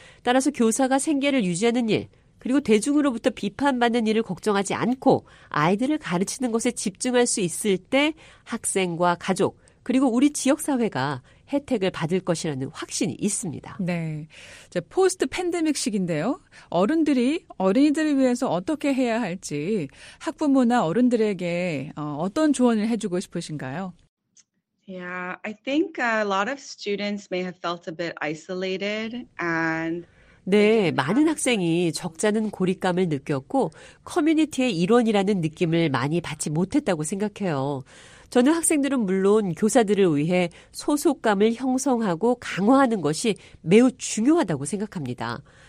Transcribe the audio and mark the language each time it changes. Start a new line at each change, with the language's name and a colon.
Korean: 따라서 교사가 생계를 유지하는 일, 그리고 대중으로부터 비판받는 일을 걱정하지 않고 아이들을 가르치는 것에 집중할 수 있을 때 학생과 가족, 그리고 우리 지역사회가 혜택을 받을 것이라는 확신이 있습니다. 네. 자, 포스트 팬데믹 시기인데요. 어른들이 어린이들을 위해서 어떻게 해야 할지 학부모나 어른들에게 어떤 조언을 해주고 싶으신가요?
English: Yeah, I think a lot of students may have felt a bit isolated and
Korean: 네, 많은 학생이 적잖은 고립감을 느꼈고 커뮤니티의 일원이라는 느낌을 많이 받지 못했다고 생각해요. 저는 학생들은 물론 교사들을 위해 소속감을 형성하고 강화하는 것이 매우 중요하다고 생각합니다.